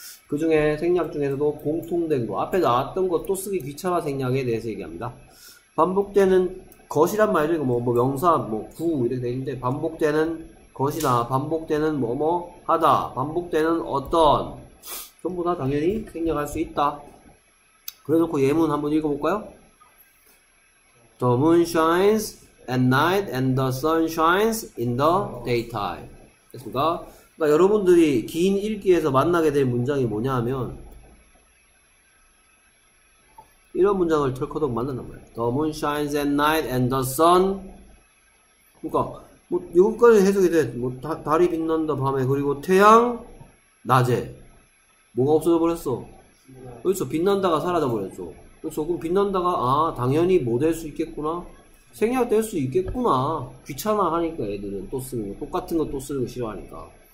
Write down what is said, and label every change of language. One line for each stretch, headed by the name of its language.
Korean: 그 중에 생략 중에서도 공통된 거 앞에 나왔던 거 또 쓰기 귀찮아 생략에 대해서 얘기합니다. 반복되는 것이란 말이죠. 뭐 명사 뭐 구 이렇게 되는데 반복되는 것이나 반복되는 뭐뭐 하다 반복되는 어떤 전부 다 당연히 생략할 수 있다. 그래놓고 예문 한번 읽어볼까요?
English: The moon shines at night and the sun shines in the daytime.
Korean: 됐습니까? 그러니까 여러분들이 긴 읽기에서 만나게 될 문장이 뭐냐 하면 이런 문장을 털커덕 만난단 말이에요.
English: The moon shines at night and the sun.
Korean: 그러니까 뭐 이것까지 해석이 돼. 뭐 달이 빛난다 밤에 그리고 태양 낮에 뭐가 없어져 버렸어? 그렇죠. 빛난다가 사라져 버렸죠. 그렇죠. 그럼 빛난다가 아 당연히 뭐 될 수 있겠구나. 생략될 수 있겠구나. 귀찮아 하니까 애들은 또 쓰는 거 똑같은 거 또 쓰는 거 싫어하니까.